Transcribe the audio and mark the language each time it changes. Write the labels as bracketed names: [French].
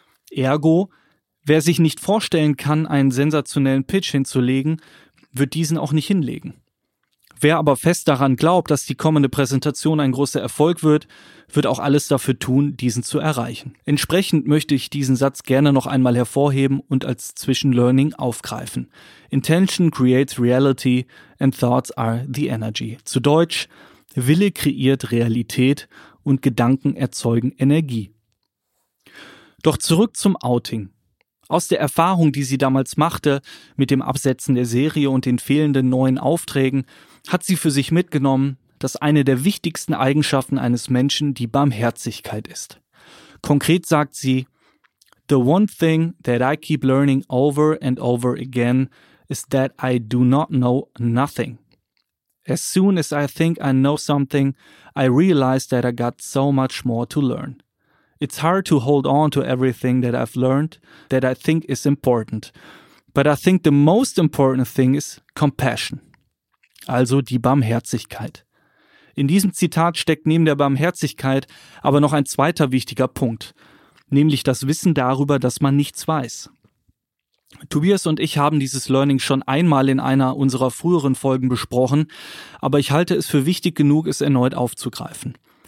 [German] Ergo, wer sich nicht vorstellen kann, einen sensationellen Pitch hinzulegen, wird diesen auch nicht hinlegen. Wer aber fest daran glaubt, dass die kommende Präsentation ein großer Erfolg wird, wird auch alles dafür tun, diesen zu erreichen. Entsprechend möchte ich diesen Satz gerne noch einmal hervorheben und als Zwischenlearning aufgreifen. [English] Intention creates reality and thoughts are the energy. [German] Zu Deutsch, Wille kreiert Realität und Gedanken erzeugen Energie. Doch zurück zum Outing. Aus der Erfahrung, die sie damals machte, mit dem Absetzen der Serie und den fehlenden neuen Aufträgen, hat sie für sich mitgenommen, dass eine der wichtigsten Eigenschaften eines Menschen die Barmherzigkeit ist. Konkret sagt sie, [English] "The one thing that I keep learning over and over again is that I do not know nothing. As soon as I think I know something, I realize that I got so much more to learn. It's hard to hold on to everything that I've learned that I think is important. But I think the most important thing is compassion." [German] Also die Barmherzigkeit. In diesem Zitat steckt neben der Barmherzigkeit aber noch ein zweiter wichtiger Punkt, nämlich das Wissen darüber, dass man nichts weiß. Tobias und ich haben dieses Learning schon einmal in einer unserer früheren Folgen besprochen, aber ich halte es für wichtig genug, es erneut aufzugreifen.